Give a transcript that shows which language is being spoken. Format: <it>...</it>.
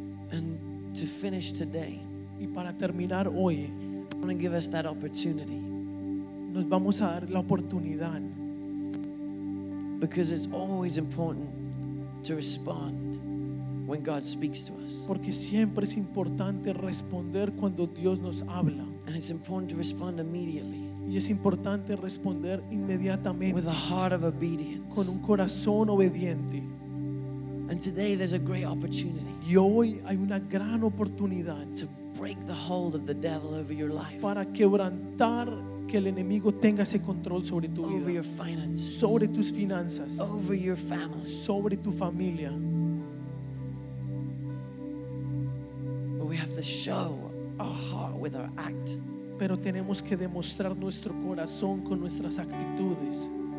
<en>And to finish today,</en> <es>y para terminar hoy,</es> <en>I want to give us that opportunity.</en> <es>Nos vamos a dar la oportunidad.</es> <en>Because it's always important to respond when God speaks to us.</en> <es>Porque siempre es importante responder cuando Dios nos habla.</es> <en>And it's important to respond immediately.</en> <es>Y es importante responder inmediatamente.</es> <en>With a heart of obedience.</en> <es>Con un corazón obediente.</es> <en>And today there's a great opportunity.</en> <es>Y hoy hay una gran oportunidad</es> <en>to break the hold of the devil over your life.</en> <es>Para quebrantar que el enemigo tenga ese control sobre tu</es> <en>over</en> <es>vida.</es> <en>Your finances.</en> <es>Sobre tus finanzas.</es> <en>Over your family.</en> <es>Sobre tu familia.</es> <en>But we have to show our heart with our act.</en> <es>Pero tenemos que demostrar nuestro corazón con nuestras actitudes.</es>